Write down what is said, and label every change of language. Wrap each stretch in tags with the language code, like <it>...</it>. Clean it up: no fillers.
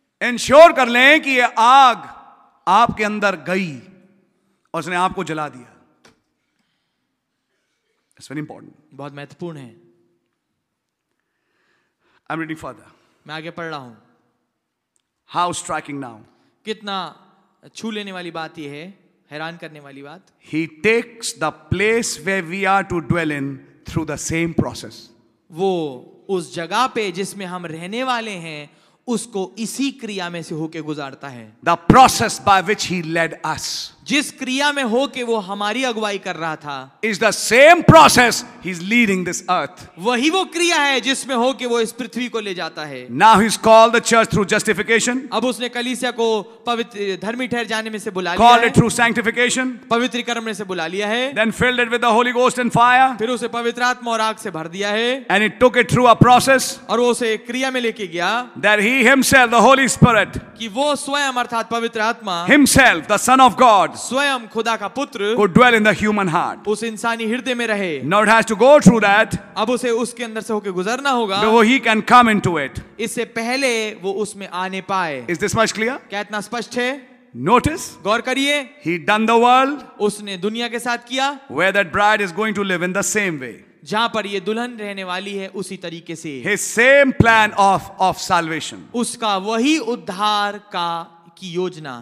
<hi>Ensure कर लें कि ये आग आपके अंदर गई और उसने आपको जला दिया.</hi> <en>It's very important.</en> <hi>बहुत महत्वपूर्ण है.</hi> <en>I'm reading further.</en> <hi>मैं आगे पढ़ रहा हूं.</hi> <en>How striking now.</en> <hi>कितना छू लेने वाली बात यह है, हैरान करने वाली बात.</hi> <en>He takes the place where we are to dwell in through the same process.</en> <hi>वो उस जगह पे जिसमें हम रहने वाले हैं उसको इसी क्रिया में से होके गुजारता है.</hi> <en>The process by which he led us.</en> <hi>जिस क्रिया में होके वो हमारी अगुवाई कर रहा था.</hi> <en>Is the same process he's leading this earth.</en> <hi>वही वो क्रिया है जिसमें होके वो इस पृथ्वी को ले जाता है.</hi> <en>Now he's called the church through justification.</en> <hi>अब उसने कलीसिया को पवित्र धर्मी ठहर जाने में से बुला लिया.</hi> <en>Called it through sanctification.</en> <hi>पवित्रीकरण में से बुला लिया है.</hi> <en>Then filled it with the Holy Ghost and fire.</en> <hi>फिर उसे पवित्र आत्मा और आग से भर दिया है.</hi> <en>And he took it through a process.</en> <hi>और वो उसे क्रिया में लेके गया.</hi> <en>That he himself, the Holy Spirit.</en> <hi>कि वो स्वयं अर्थात पवित्र आत्मा.</hi> <en>Himself, the Son of God.</en> <hi>स्वयं खुदा का पुत्र.</hi> <en>Could dwell in the human heart.</en> <hi>उस इंसानी हृदय में रहे.</hi> <en>Now it has to go through that.</en> <hi>अब उसे उसके अंदर से होके गुजरना होगा.</hi> <en>Before he can come into it.</en> <hi>इससे पहले वो उसमें आने पाए.</hi> <en>Is this much clear?</en> <hi>क्या इतना स्पष्ट है?</hi> <en>Notice.</en> <hi>गौर करिए.</hi> <en>He done the world.</en> <hi>उसने दुनिया के साथ किया.</hi> <en>Where that bride is going to live in the same way.</en> <hi>जहां पर ये दुल्हन रहने वाली है उसी तरीके से.</hi> <en>His same plan of salvation.</en> <hi>उसका वही उद्धार का की योजना.</hi>